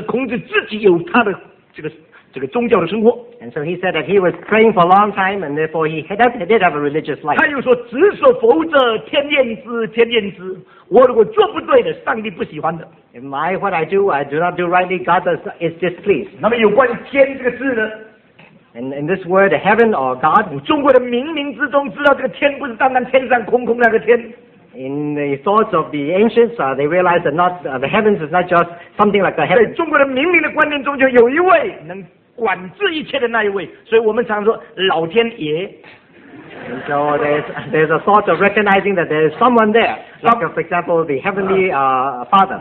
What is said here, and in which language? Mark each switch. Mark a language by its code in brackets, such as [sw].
[zh] 孔子说的求之道久也，我祷告很久了，所以孔子自己有他的这个宗教的生活。 [en] And so he said that he was praying for a long time, and therefore he did have a religious life. [zh] 他又说，子所否则，天厌之。天厌之。我如果做不对的，上帝不喜欢的。 [en] Am I what I do? I do not do rightly. God is displeased. [zh] 那么有关天这个字呢？ [en] And in this word, heaven or God? [zh] 中国人冥冥之中知道这个天不是单单天上空空那个天。 [en] In the thoughts of the ancients, they realized that not the heavens is not just something like a heaven. [zh] 在中国人冥冥的观念中，就有一位能管制一切的那一位。所以我们常说老天爷。 [en] And so there's a thought of recognizing that there is someone there, like for example the heavenly father.